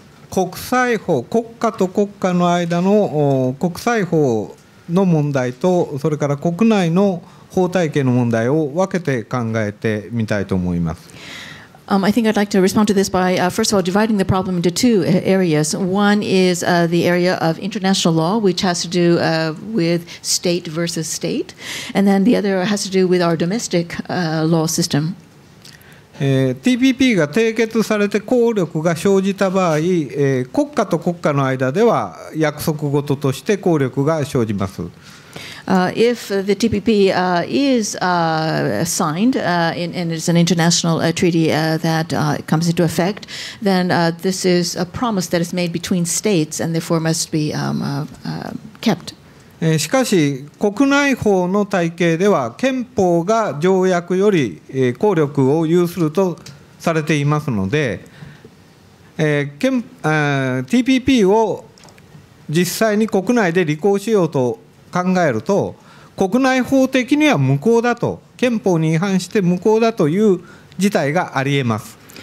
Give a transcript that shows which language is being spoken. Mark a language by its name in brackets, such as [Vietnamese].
[Japanese] 国際法、国家と国家の間の国際法の問題と、それから国内の法体系の問題を分けて考えてみたいと思います。 [English] I think I'd like to respond to this by, first of all, dividing the problem into two areas. One is the area of international law, which has to do with state versus state. And then the other has to do with our domestic law system. [Japanese] TPP が締結されて効力が生じた場合、国家と国家の間では約束事として効力が生じます。 [English] If the TPP is signed and it's an international treaty that comes into effect, then this is a promise that is made between states and therefore must be kept. [Japanese] しかし国内法の体系では憲法が条約より効力を有するとされていますので、TPP を実際に国内で履行しようと考えると、国内法的には無効だと、憲法に違反して無効だという事態がありえます。